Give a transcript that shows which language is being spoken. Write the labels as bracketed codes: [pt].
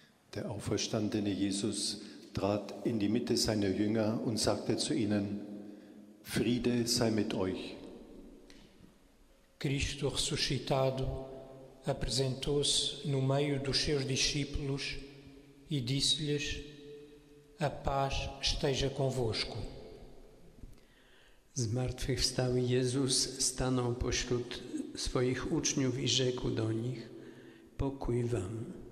[de] Der auferstandene Jesus trat in die Mitte seiner Jünger und sagte zu ihnen: «Friede sei mit euch!» [pt] Cristo resuscitado apresentou-se no meio dos seus discípulos e disse-lhes: "A paz esteja convosco." [pl] Zmartwychwstały Jezus stanął pośród swoich uczniów i rzekł do nich: "Pokój wam."